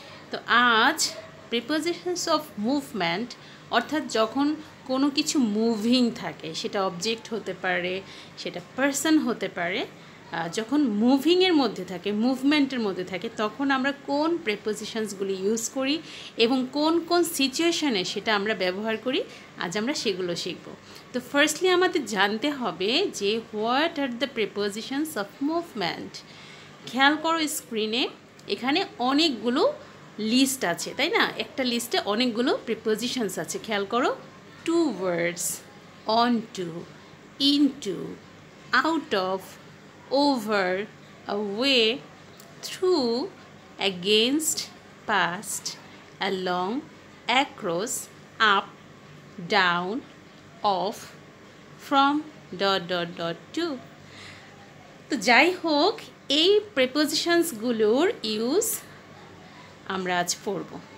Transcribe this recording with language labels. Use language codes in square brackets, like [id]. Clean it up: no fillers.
[bn] তো আজ prepositions of movement, অর্থাৎ যখন কোনো কিছু মুভিং থাকে, সেটা অবজেক্ট হতে পারে, সেটা পারসন হতে পারে, যখন মুভিং এর মধ্যে থাকে, মুভমেন্টের মধ্যে থাকে, তখন আমরা কোন প্রিপজিশনস গুলি ইউজ করি এবং কোন কোন সিচুয়েশনে সেটা আমরা ব্যবহার করি, আজ আমরা সেগুলো শিখব। তো ফার্স্টলি আমাদের জানতে হবে যে what are the prepositions of movement. খেয়াল করো স্ক্রিনে এখানে অনেকগুলো লিস্ট আছে, তাই না? একটা লিস্টে অনেকগুলো প্রিপজিশনস আছে। খেয়াল করো, [en] Towards, onto, into, out of, over, away, through, against, past, along, across, up, down, off, from, dot dot dot to. [bn] তো যাই হোক, এই প্রিপজিশনসগুলোর ইউজ আমরা আজ পড়ব।